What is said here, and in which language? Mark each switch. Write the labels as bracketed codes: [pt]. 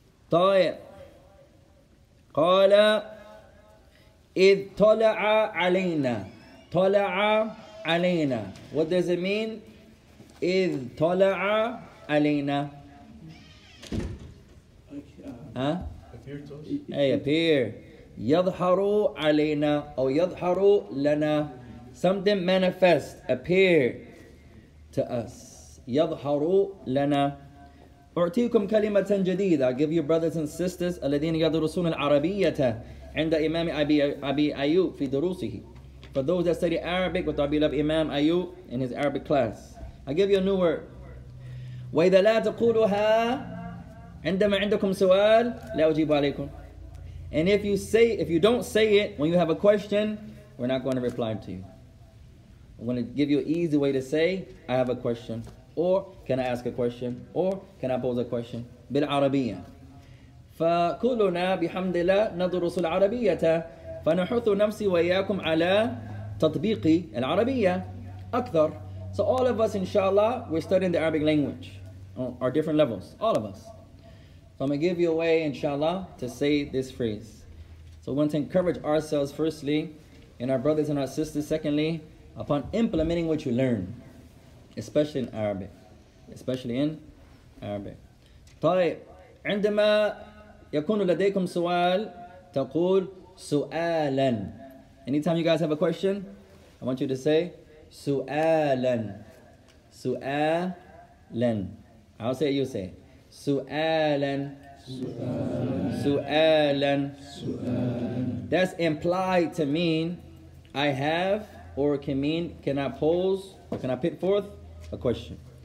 [ar] طيب, قال, إذ طلع علينا, طلع علينا. [en] What does it mean? [ar] إذ طلع علينا. [en] Huh? Hey, appear. [ar] يظهروا علينا أو يظهروا لنا. [en] Something manifest, appear to us. [ar] يظهروا لنا. أعطيكم كلمة جديدة. [en] I give you brothers and sisters [ar] الذين يدرسون العربية عند إمام أبي أيوب في دروسه. [en] For those that study Arabic with our beloved Imam Ayub in his Arabic class. I give you a new word. [ar] وإذا لا تقولها عندما عندكم سؤال لا أجيب عليكم. [en] And if you don't say it when you have a question, we're not going to reply to you. I'm going to give you an easy way to say, I have a question. Or, can I ask a question? Or, can I pose a question? بالعربية. [ar] فكلنا بحمد الله ندرس العربية. فنحث نفسي وإياكم على تطبيق العربية أكثر. [en] So all of us, inshallah, we're studying the Arabic language. Our different levels. All of us. So I'm going to give you a way, inshallah, to say this phrase. So we want to encourage ourselves, firstly, and our brothers and our sisters, secondly, upon implementing what you learn, especially in Arabic. Especially in Arabic. [ar] طيب, عندما يكون لديكم سؤال, تقول سؤالاً. [en] Anytime you guys have a question, I want you to say سؤالاً. سؤالاً. I'll say it, you say it. سؤالاً. [ar] سؤالاً. سؤالاً. سؤالاً. [en] That's implied to mean I have, or can mean, can I pose, or can I put forth a question?